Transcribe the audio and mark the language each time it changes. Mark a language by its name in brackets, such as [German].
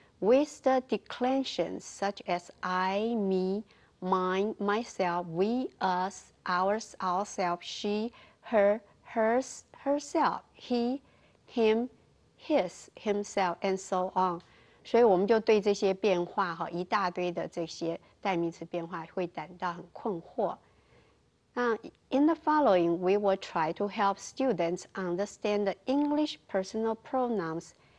[English] With the declensions such as I, me, mine, myself, we, us, ours, ourselves, she, her, hers, herself, he,him, his, himself, and so on. [Chinese] 所以我们就对这些变化，一大堆的这些代名词变化会感到很困惑。 [English] 那 in the following, we will try to help students understand the English personal pronouns.